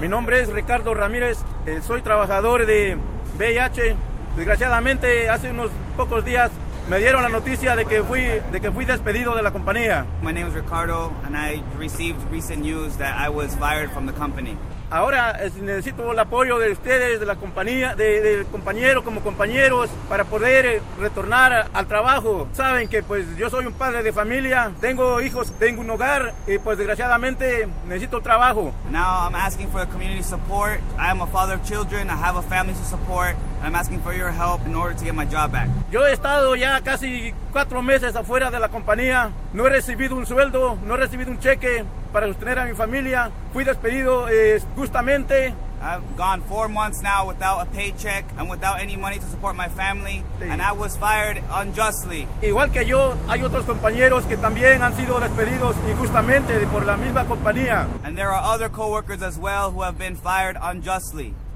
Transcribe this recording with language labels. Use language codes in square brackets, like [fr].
[es] Mi nombre es Ricardo Ramirez. Soy trabajador de VIH. Desgraciadamente, hace unos pocos días me dieron la noticia de que fui despedido de la compañía. [en] My name is Ricardo and I received recent news that I was fired from the company. [es] Ahora necesito el apoyo de ustedes, de la compañía, del compañero como compañeros para poder retornar al trabajo. Saben que pues yo soy un padre de familia, tengo hijos, tengo un hogar y pues desgraciadamente necesito trabajo. [en] Now I'm asking for a community support. I am a father of children, I have a family to support. I'm asking for your help in order to get my job back. [es] Yo he estado ya casi 4 meses afuera de la compañía. No he recibido un sueldo, no he recibido un cheque para sostener a mi familia. Fui despedido justamente. [en] I've gone 4 months now without a paycheck and without any money to support my family. Sí. And I was fired unjustly. [es] Igual que yo, hay otros compañeros que también han sido despedidos injustamente por la misma compañía. [en] And there are other coworkers as well who have been fired unjustly.